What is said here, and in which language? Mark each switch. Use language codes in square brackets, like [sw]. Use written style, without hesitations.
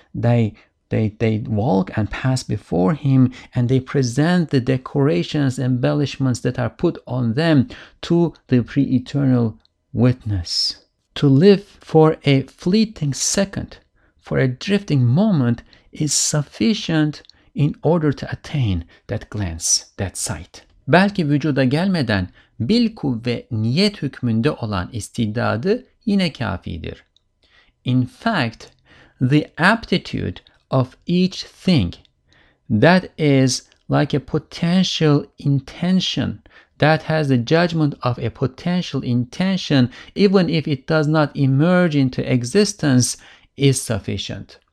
[en] They walk and pass before him and they present the decorations, embellishments that are put on them to the pre-eternal witness. To live for a fleeting second, for a drifting moment, is sufficient in order to attain that glance, that sight. [tr] Belki vücuda gelmeden bil kuvve niyet hükmünde olan istidadı yine kafidir. [en] In fact, the aptitude of each thing, that is like a potential intention, that has the judgment of a potential intention, even if it does not emerge into existence, is sufficient.